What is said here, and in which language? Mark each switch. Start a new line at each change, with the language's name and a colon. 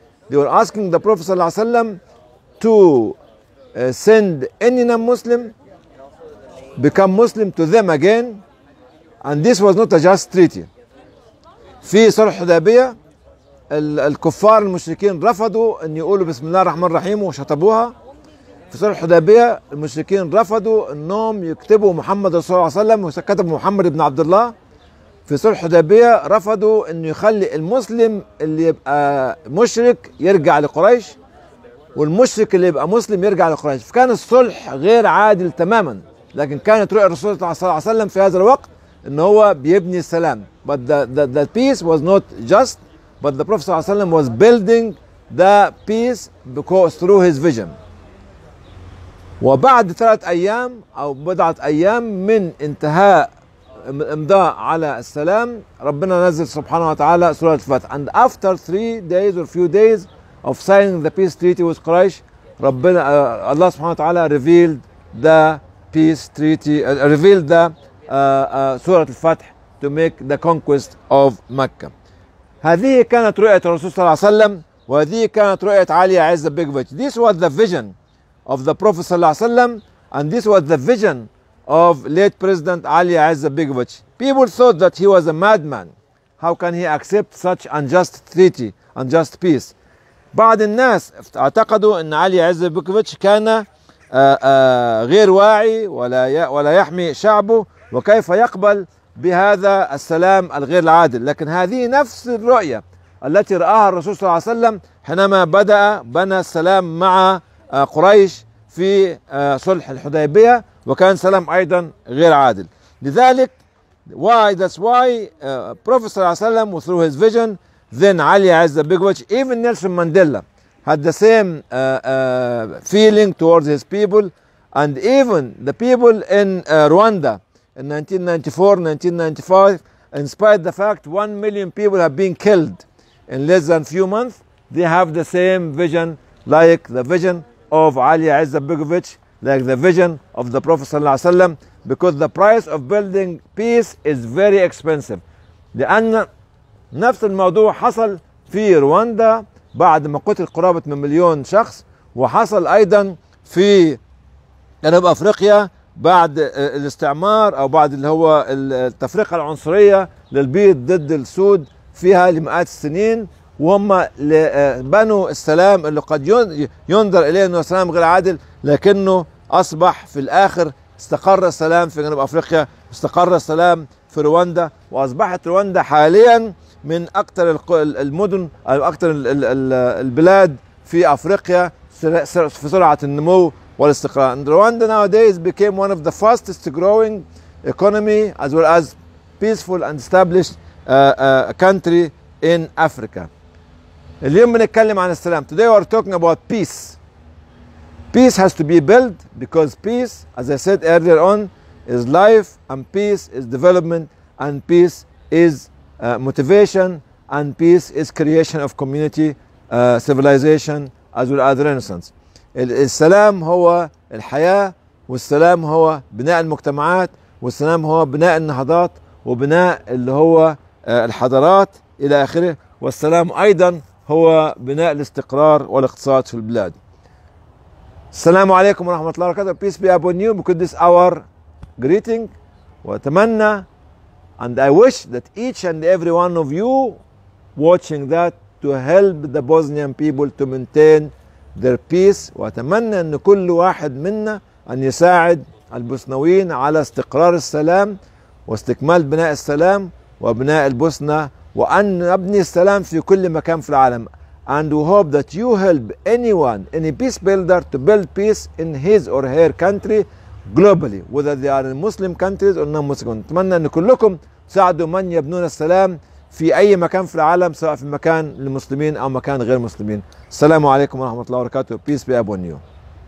English: They were asking the Prophet صلى الله عليه وسلم to send any non-Muslim, become Muslim to them again. And this was not a just treaty.
Arabic: في صلح حديبية الكفار المشركين رفضوا أن يقولوا بسم الله الرحمن الرحيم وشطبوها. في صلح حديبية المشركين رفضوا أنهم يكتبوا محمد صلى الله عليه وسلم وكتبوا محمد بن عبد الله. في صلح حديبية رفضوا أن يخلي المسلم اللي يبقى مشرك يرجع لقريش والمشرك اللي يبقى مسلم يرجع لقريش. فكان الصلح غير عادل تماما، لكن كانت رؤية الرسول صلى الله عليه وسلم في هذا الوقت أن هو بيبني السلام.
English: But the peace was not just, but the Prophet صلى الله عليه وسلم was building the peace because through his vision.
Arabic: وبعد ثلاث أيام أو بضعة أيام من انتهاء الإمضاء على السلام، ربنا نزل سبحانه وتعالى سورة الفتح.
English: And after three days or few days of signing the peace treaty with Quraysh,
Arabic: ربنا الله سبحانه وتعالى
English: revealed the peace treaty, revealed the سورة الفتح to make the conquest of Mecca.
Arabic: هذه كانت رؤية الرسول صلى الله عليه وسلم وهذه كانت رؤية علي عزبيجوفيتش.
English: This was the vision of the Prophet صلى الله عليه وسلم and this was the vision of late President علي عزبيجوفيتش. People thought that he was a madman. How can he accept such unjust treaty, unjust peace?
Arabic: بعض الناس اعتقدوا أن علي عزبيجوفيتش كان غير واعي ولا يحمي شعبه وكيف يقبل بهذا السلام الغير العادل، لكن هذه نفس الرؤية التي رآها الرسول صلى الله عليه وسلم حينما بدأ بنى السلام مع قريش في صلح الحديبية، وكان سلام أيضا غير عادل. لذلك
English: why that's why Prophet صلى الله عليه وسلم through his vision then علي عزبيجوفيتش even Nelson Mandela had the same feeling towards his people and even the people in Rwanda in 1994-1995, in spite of the fact 1 million people have been killed in less than few months, they have the same vision like the vision of Alia Izetbegović, like the vision of the Prophet صلى الله عليه وسلم, because the price of building peace is very expensive.
Arabic: لأن نفس الموضوع حصل في رواندا بعد ما قتل قرابة من مليون شخص وحصل أيضا في جنوب أفريقيا بعد الاستعمار او بعد اللي هو التفرقه العنصريه للبيض ضد السود فيها لمئات السنين، وهم بنوا السلام اللي قد ينظر اليه انه سلام غير عادل، لكنه اصبح في الاخر استقر السلام في جنوب افريقيا، استقر السلام في رواندا، واصبحت رواندا حاليا من اكثر المدن او اكثر البلاد في افريقيا في سرعه النمو. والاستقرار.
English: Rwanda nowadays became one of the fastest growing economy as well as peaceful and established country in Africa.
Arabic: اليوم بنتكلم عن السلام.
English: Today we are talking about peace. Peace has to be built, because peace, as I said earlier on, is life, and peace is development, and peace is motivation, and peace is creation of community, civilization, as well as Renaissance.
Arabic: السلام هو الحياة, والسلام هو بناء المجتمعات, والسلام هو بناء النهضات, وبناء اللي هو الحضارات إلى آخره, والسلام أيضا هو بناء الاستقرار والاقتصاد في البلاد. السلام عليكم ورحمة الله وبركاته.
English: Peace be upon you. We could this hour greeting.
Arabic: وأتمنى,
English: and I wish that each and every one of you watching that to help the Bosnian people to maintain their peace.
Arabic: وأتمنى أن كل واحد منا أن يساعد البوسنويين على استقرار السلام واستكمال بناء السلام وبناء البوسنة, وأن نبني السلام في كل مكان في العالم.
English: And we hope that you help anyone, any peace builder, to build peace in his or her country globally, whether they are in Muslim countries or non-Muslim.
Arabic: نتمنى أن كلكم تساعدوا من يبنون السلام في أي مكان في العالم, سواء في مكان للمسلمين أو مكان غير مسلمين. السلام عليكم ورحمة الله وبركاته.
English: Peace be upon you.